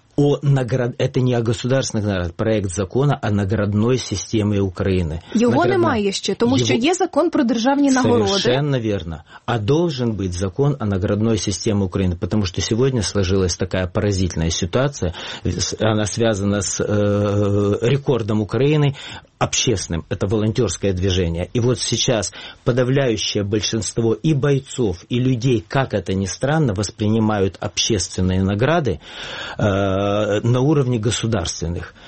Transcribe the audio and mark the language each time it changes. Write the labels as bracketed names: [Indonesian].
[Russian] Это не о государственных наградах, проект закона о наградной системе Украины. [Ukrainian] Его немає ще, тому що є закон про державні нагороди. [Russian] Совершенно верно. А должен быть закон о наградной системе Украины, потому что сегодня сложилась такая поразительная ситуация, она связана с рекордом Украины общественным, это волонтерское движение. И вот сейчас подавляющее большинство и бойцов, и людей, как это ни странно, воспринимают общественные награды на уровне государственных.